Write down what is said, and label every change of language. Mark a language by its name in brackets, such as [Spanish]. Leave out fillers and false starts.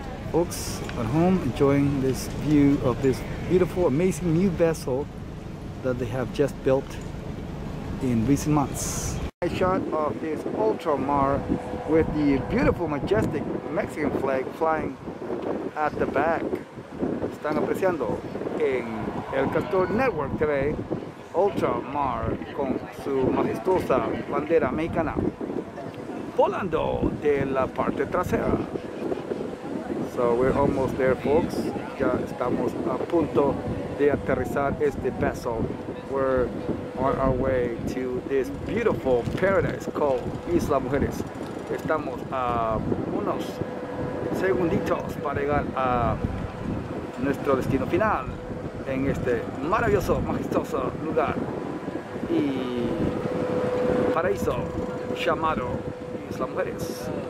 [English] Folks at home enjoying this view of this beautiful, amazing new vessel that they have just built in recent months. A shot of this ultramar with the beautiful, majestic Mexican flag flying at the back. [Spanish] Están apreciando en el Castor Network today. Ultramar con su majestuosa bandera mexicana volando de la parte trasera. [English] So we're almost there, folks. [Spanish] Ya estamos a punto de aterrizar este vessel. [English] We're on our way to this beautiful paradise called Isla Mujeres. [Spanish] Estamos a unos segunditos para llegar a nuestro destino final en este maravilloso, majestuoso lugar y paraíso llamado Isla Mujeres.